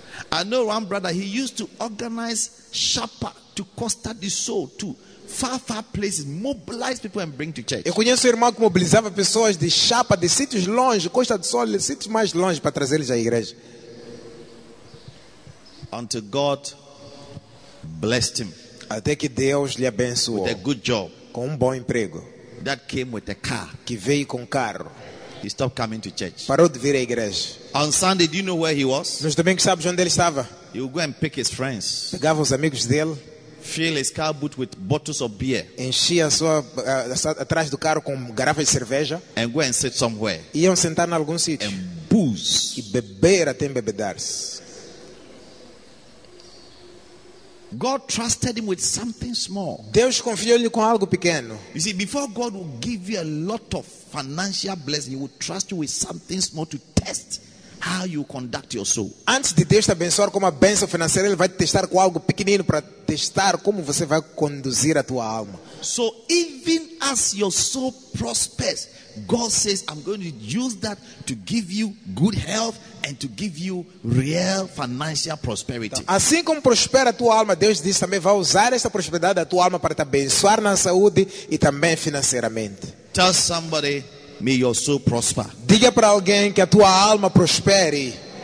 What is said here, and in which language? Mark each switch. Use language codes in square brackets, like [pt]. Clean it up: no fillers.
[en] I know one brother, he used to organize chapa to cluster the soul to far, far places, mobilize people and bring to church. [pt] Eu conheço um irmão que mobilizava pessoas de chapa, de sítios longe, Costa do Sol, de sítios mais longe para trazê-los à igreja. [en] Until God blessed him. [pt] Até que Deus lhe abençoou. [en] With a good job. [pt] Com bom emprego. [en] That came with a car. [pt] Que veio com carro. [en] He stopped coming to church. [pt] Parou de vir à igreja. [en] On Sunday, do you know where he was? [pt] Nos domingos, sabes onde ele estava? [en] He would go and pick his friends. [pt] Pegava os amigos dele. [en] Fill his car boot with bottles of beer. [pt] Enchia sua atrás do carro com garrafas de cerveja. [en] And go and sit somewhere. [pt] Iam sentar em algum sítio. [en] And booze. [pt] E beber até embebedar-se. [en] God trusted him with something small. [pt] Deus confiou-lhe com algo pequeno. [en] You see, before God will give you a lot of financial blessing, he will trust you with something small to test how you conduct your soul. [pt] Antes de Deus te abençoar com uma bênção financeira, ele vai te testar com algo pequenino para testar como você vai conduzir a tua alma. [en] So even as your soul prospers, God says, I'm going to use that to give you good health and to give you real financial prosperity. [pt] Então, assim como prospera a tua alma, Deus diz também, vai usar essa prosperidade da tua alma para te abençoar na saúde e também financeiramente. [en] Tell somebody, may your soul prosper. [pt] Diga para alguém que a tua alma prospere.